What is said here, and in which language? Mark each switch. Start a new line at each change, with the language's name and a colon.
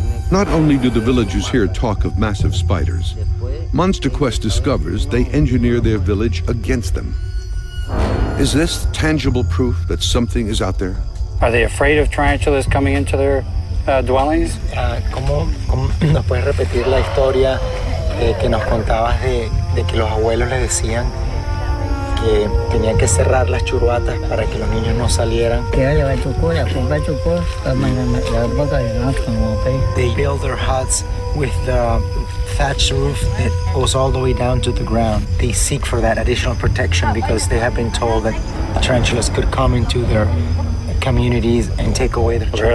English: Not only do the villagers here talk of massive spiders, MonsterQuest discovers they engineer their village against them. Is this tangible proof that something is out there? Are they afraid of tarantulas coming into their dwellings?
Spanish: ¿Cómo puedes repetir la historia que nos contabas de que los abuelos le decían que tenían que cerrar las churuatas para que los niños no salieran?
English: They build their huts with the thatched roof that goes all the way down to the ground. They seek for that additional protection because they have been told that the tarantulas could come into their communities and take away their children.